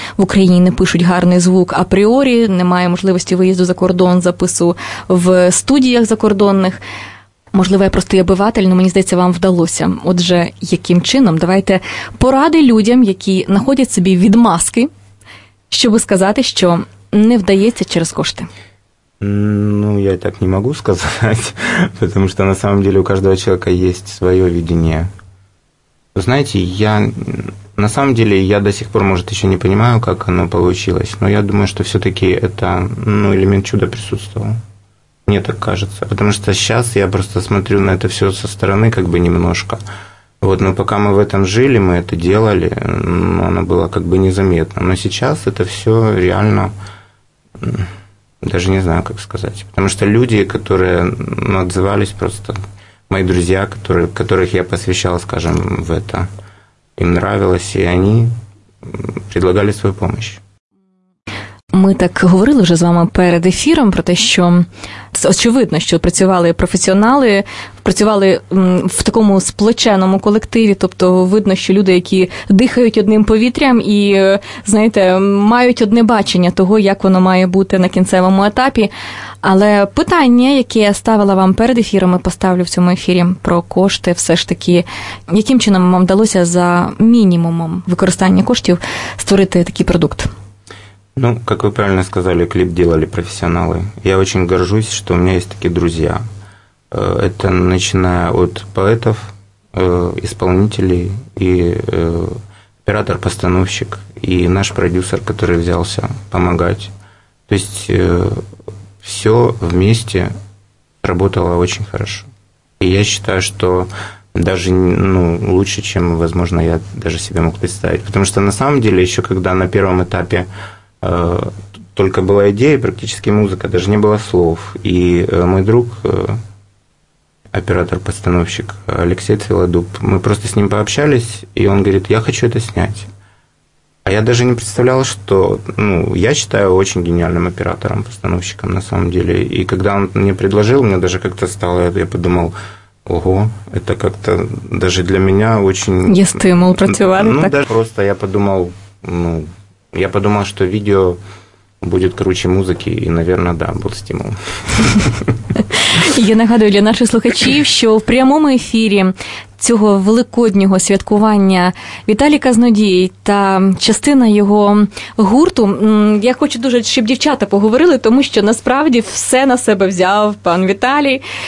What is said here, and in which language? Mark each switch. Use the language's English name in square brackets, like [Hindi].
[Ukrainian] В Україні пишуть гарний звук апріорі, немає можливості виїзду за кордон, запису в студіях закордонних. Можливо, я простий обиватель, але мені здається, вам вдалося. Отже, яким чином? Давайте поради людям, які знаходять собі відмазки, щоб сказати, що не вдається через кошти. [Russian] Ну, я так не могу сказать, потому что на самом деле у каждого человека есть свое видение. Знаете, я на самом деле я до сих пор, может, еще не понимаю, как оно получилось, но я думаю, что все-таки это элемент чуда присутствовал. Мне так кажется. Потому что сейчас я просто смотрю на это все со стороны, как бы немножко. Вот, но пока мы в этом жили, мы это делали, но оно было как бы незаметно. Но сейчас это все реально. Даже не знаю, как сказать. Потому что люди, которые отзывались просто, мои друзья, которых я посвящал, скажем, в это, им нравилось, и они предлагали свою помощь. Мы так говорили уже с вами перед эфиром про то, что очевидно, что [Ukrainian] працювали профессионалы, працювали в такому сплоченому колективі, тобто видно, що люди, які дихають одним повітрям і, знаєте, мають одне бачення того, як воно має бути на кінцевому етапі. Але питання, яке я ставила вам перед ефіром і поставлю в цьому ефірі про кошти, все ж таки, яким чином вам вдалося за мінімумом використання коштів створити такий продукт? Ну, як ви правильно сказали, кліп ділали професіонали. Я дуже горжусь, що у мене є такі друзі. [Russian] Это начиная от поэтов, исполнителей и оператор-постановщик, и наш продюсер, который взялся помогать. То есть все вместе работало очень хорошо. И я считаю, что даже лучше, чем, возможно, я даже себе мог представить. Потому что на самом деле, еще когда на первом этапе только была идея, практически музыка, даже не было слов, и мой друг... оператор-постановщик Алексей Цвелодуб. Мы просто с ним пообщались, и он говорит, я хочу это снять. А я даже не представлял, что... Ну, я считаю очень гениальным оператором-постановщиком на самом деле. И когда он мне предложил, мне даже как-то стало... Я подумал, ого, это как-то даже для меня очень... [Ukrainian] Я стимул працювати. [Russian] Ну, даже просто я подумал... Ну, я подумал, что видео будет круче музыки, и, наверное, да, был стимул. [Ukrainian] Я нагадую для наших слухачів, що в прямому ефірі цього великоднього святкування Віталіка з Нодії та частина його гурту, я хочу дуже, щоб дівчата поговорили, тому що насправді все на себе взяв пан Віталій.